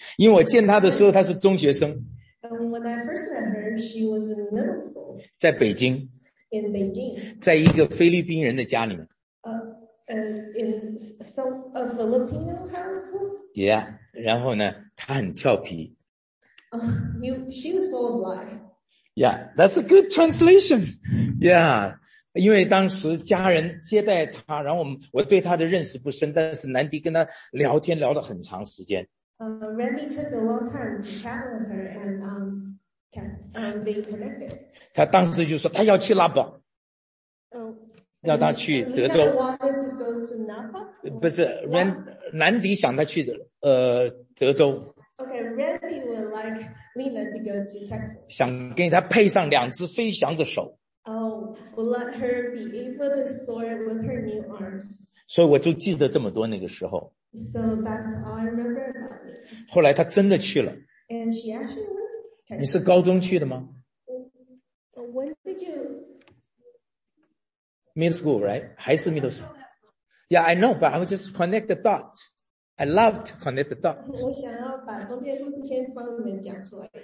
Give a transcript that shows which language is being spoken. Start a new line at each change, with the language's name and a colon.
Chinese: 因为我见她的时候她是中学生。
English: When I first met her, she was in middle school.
Chinese: 在北京。
English: In Beijing.
Chinese: 在一个菲律宾人的家里面。
English: In a Filipino household?
Chinese: Yeah, 然后呢她很俏皮。
English: She was full of life. Yeah, that's a good translation. Yeah.
Chinese: 因为当时家人接待他，然后我对他的认识不深，但是南迪跟他聊天聊了很长时间。
English: Randy took a long time to chat with her and they connected.
Chinese: 他当时就说他要去拉巴，要他去德州。
English: He wanted to go to Napa.
Chinese: 不是 南迪想他去德州。
English: Okay, Randy would like Lena to go to Texas.
Chinese: 想给他配上两只飞翔的手。
English: We'll let her be able to soar with her new arms.
Chinese: 所以我就记得这么多那个时候。
English: So that's all I remember about it.
Chinese: 后来她真的去了。
English: And she actually went.
Chinese: 你是高中去的吗
English: ？When did you? Middle school, right?
Chinese: 还是
English: middle school? Yeah, I know, but I would just connect the dot. I love to connect the dot.
Chinese: 我想要把中间故事先帮你们讲出来。